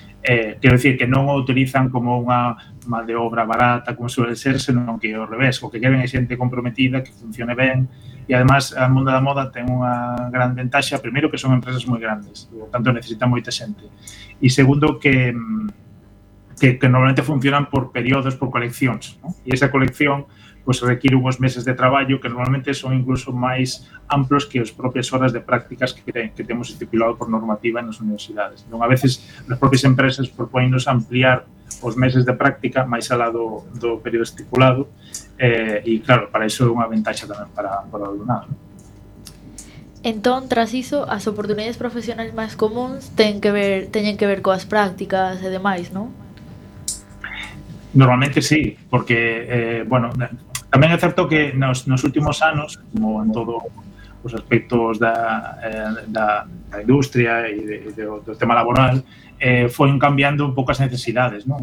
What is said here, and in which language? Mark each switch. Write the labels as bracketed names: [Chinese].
[Galician] Quero dicir que non o utilizan como unha mal de obra barata, [Spanish] como suele ser, [Galician] senón que ao revés, o que queren é xente comprometida, que funcione ben, e ademais o mundo da moda ten unha gran ventaxa, primeiro que son empresas moi grandes, por tanto necesitan moita xente, e segundo que normalmente funcionan por períodos, por coleccións, ¿no? [Spanish] E esa colección pues requiere unos meses de trabajo que normalmente son incluso más amplios que las propias horas de prácticas que tenemos estipulado por normativa en las universidades. Entonces, a veces las propias empresas proponennos ampliar los meses de práctica más al lado del periodo estipulado, y claro, para eso es una ventaja también para el alumnado. [Galician] Entón, tras iso, as oportunidades profesionais máis comuns teñen que ver coas prácticas e demais, non? Normalmente sí, porque, bueno, tamén é certo que nos últimos anos, como en todo os aspectos da industria e do tema laboral, foi cambiando un pouco as necesidades, non?